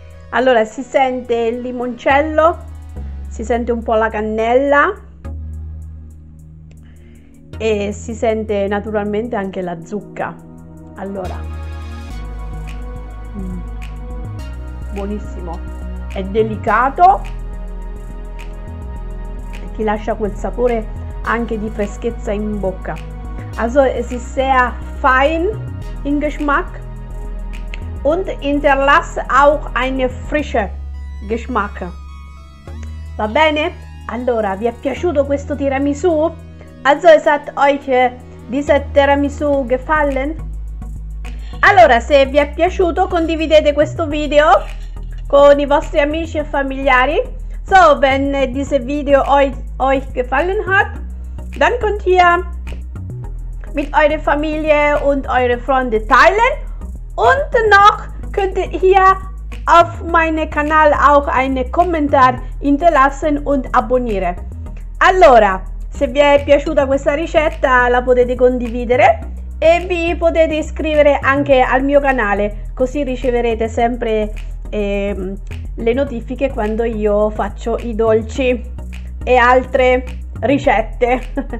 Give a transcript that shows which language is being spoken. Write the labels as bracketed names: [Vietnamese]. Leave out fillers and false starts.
[Italian] Allora, si sente il limoncello, si sente un po' la cannella e si sente naturalmente anche la zucca. Allora, buonissimo, è delicato e ti lascia quel sapore anche di freschezza in bocca. [German] Also, es ist sehr fein in Geschmack und hinterlasse auch eine frische Geschmack. [Italian] Va bene? Allora, vi è piaciuto questo tiramisù? [German] Also, es hat euch dieser Tiramisu gefallen? [Italian] Allora, se vi è piaciuto, condividete questo video con i vostri amici e familiari. [German] So, wenn dieses Video euch gefallen hat, dann könnt ihr mit eurer Familie und euren Freunden teilen. Und noch könnt ihr hier auf meinem Kanal auch einen Kommentar hinterlassen und abonnieren. [Italian] Allora, se vi è piaciuta questa ricetta, la potete condividere e vi potete iscrivere anche al mio canale, così riceverete sempre le notifiche quando io faccio i dolci e altre ricette.